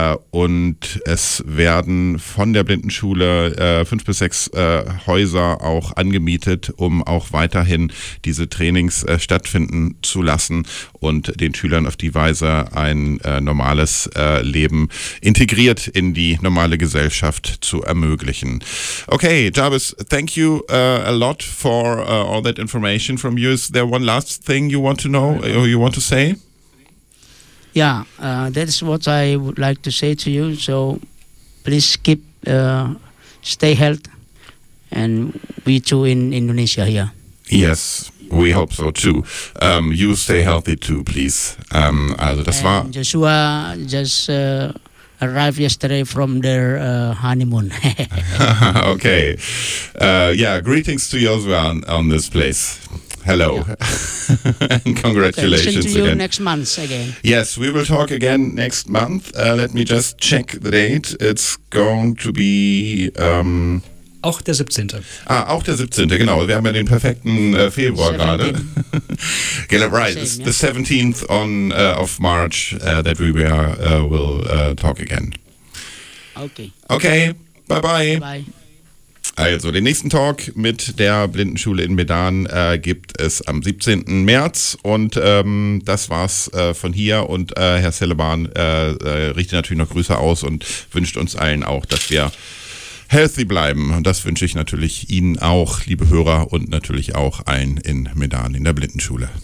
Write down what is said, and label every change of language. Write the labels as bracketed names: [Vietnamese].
[German] Und es werden von der Blindenschule 5 bis 6 Häuser auch angemietet, um auch weiterhin diese Trainings stattfinden zu lassen und den Schülern auf die Weise ein normales Leben integriert in die normale Gesellschaft zu ermöglichen. [English] Okay, Jarvis, thank you a lot for all that information from you. Is there one last thing you want to know or you want to say? Yeah, that's what I would like to say to you. So please keep, stay healthy, and we too in Indonesia here. Yes, we hope so too. You stay healthy too, please. [German] Also das war [English] Joshua just arrived yesterday from their honeymoon. Okay. Yeah, greetings to you as well on this place. Hello. Yeah. And congratulations. Okay, to you again. Next month again. Yes, we will talk again next month. Let me just check the date. It's going to be [German] auch der 17. Auch der 17. Genau. Wir haben ja den perfekten Februar gerade. Right. [English] It's the 17th of March that we will talk again. Okay. Okay. Bye bye. Bye. [German] Also den nächsten Talk mit der Blindenschule in Medan gibt es am 17. März und das war's von hier und Herr Celeban richtet natürlich noch Grüße aus und wünscht uns allen auch, dass wir healthy bleiben und das wünsche ich natürlich Ihnen auch, liebe Hörer und natürlich auch allen in Medan in der Blindenschule.